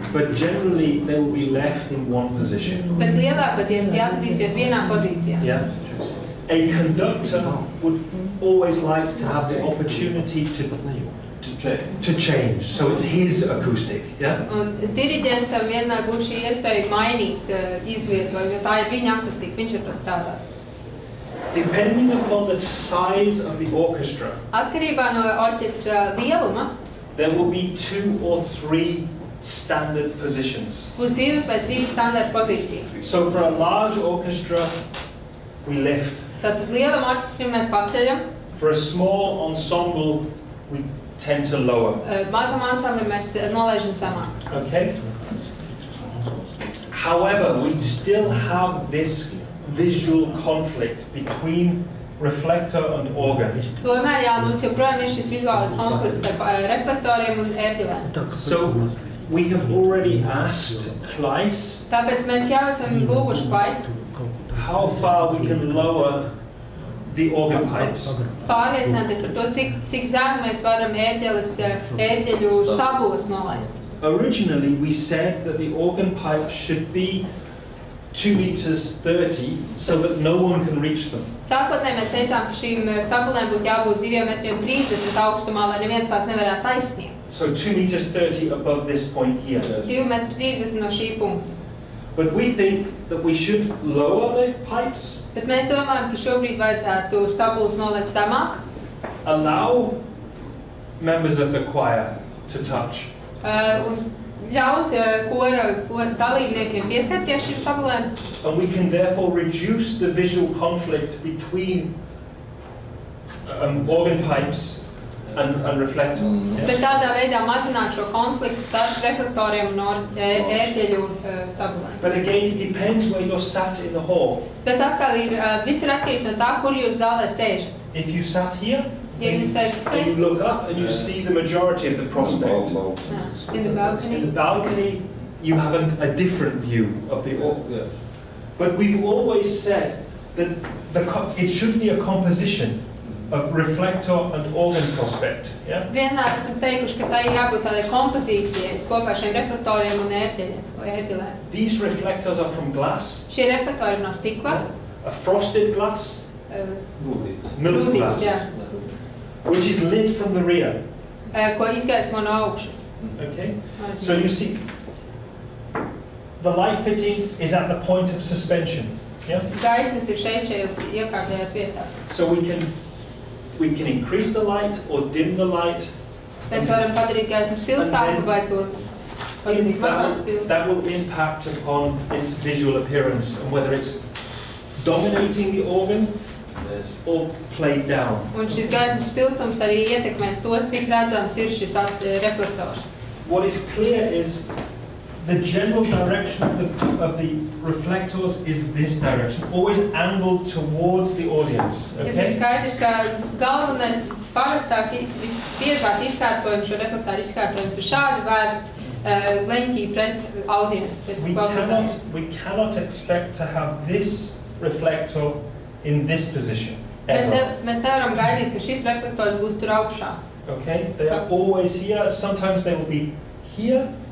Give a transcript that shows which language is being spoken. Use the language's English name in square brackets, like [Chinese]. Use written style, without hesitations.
[English] But generally they will be left in one position. [Latvian] Bet lielākoties tie atradīsies vienā pozīcijā. [English] Yeah. A conductor would always like to have the opportunity to change. So it's his acoustic, yeah? [Latvian] Un diriģentam vienmēr būs šī iespēja mainīt izvietojumu, jo tā ir viņa akustika, viņš ir pastāvās. [English] Depending upon the size of the orchestra. [Latvian] Atkarībā no orķestra lieluma. [English] There will be two or three standard positions. [Latvian] Būs divas vai trīs standard pozīcijas. [English] So for a large orchestra, we lift. [Latvian] Tātad lielam orķestram mēs paceļam. [English] For a small ensemble, we tend to lower. [Latvian] Mazam ansamblim mēs nolaižam zemāk. [English] Okay. However, we still have this visual conflict between reflector and organ. [Latvian] Tomēr jā, mums joprojām ir šis vizuālais konflikts starp reflektoriem un ērģelēm. [English] So, we have already asked Kleis. [Latvian] Tāpēc mēs jau esam lūguši Kleis. [English] How far we can lower the organ pipes. [Latvian] Pārliecināties par to, cik zemu mēs varam ērģeļu stabulas nolaist. [English] Originally we said that the organ pipe should be 2 meters 30 so that no one can reach them. [Latvian] Sākotnēji mēs teicām, ka šīm stabulēm būtu jābūt 2 metriem 30 augstumā, lai neviens tās nevarētu aizsniegt. [English] So 2 meters 30 above this point here. [Latvian] 2 metri 30 no šī punkta. [English] But we think that we should lower the pipes. [Latvian] Bet mēs domājam, ka šobrīd vajadzētu stabulus nolēst zemāk. [English] Allow members of the choir to touch. [Latvian] Un ļaut kora dalībniekiem pieskatīties šīm stabulēm. [English] And we can therefore reduce the visual conflict between organ pipes and reflect on. [Latvian] Bet tādā veidā mazināt šo konfliktu starp reflektoriem un ērģeļu stabulēm. [English] But again, it depends where you're sat in the hall. [Latvian] Bet atkal ir viss atkarīgs no tā, kur jūs zālē sēžat. [English] If you sat here, then you look up and you see the majority of the prospect. In the balcony. In the balcony, you have a different view of the hall. But we've always said that it should be a composition of reflector and organ prospect, yeah? [Latvian] Vienmēr esam teikuši, ka tā ir jābūt tādai kompozīcijai kopā šiem reflektoriem un ērtiļiem. [English] These reflectors are from glass. [Latvian] Šie reflektori no stikla. [English] A frosted glass. Milk glass. Which is lit from the rear. [Latvian] Ko izgaismo no augšas. [English] Okay, so you see, the light fitting is at the point of suspension. [Latvian] Gaismas ir šeit šajos iekārtējās vietās. [English] So we can increase the light or dim the light. [Latvian] Mēs varam padarīt gaismas pilnāku vai to padarīt mazāk spilgtu. [English] That will impact upon its visual appearance and whether it's dominating the organ or played down. [Latvian] Un šis gaismas spilgtums arī ietekmēs to, cik redzams ir šis reflektors. [English] What is clear is the general direction of the reflectors is this direction, always angled towards the audience. [Latvian] Es ir skaidrs, ka galvenais parastāk visbiežāk izkārtojums šo reflektoru izkārtojums ir šādi vērsts leņķī pret audienci, pret klausītājiem. [English] We cannot expect to have this reflector in this position ever. [Latvian] Mēs nevaram gaidīt, ka šis reflektors būs tur augšā. [English] Okay, they are always here, sometimes they will be here.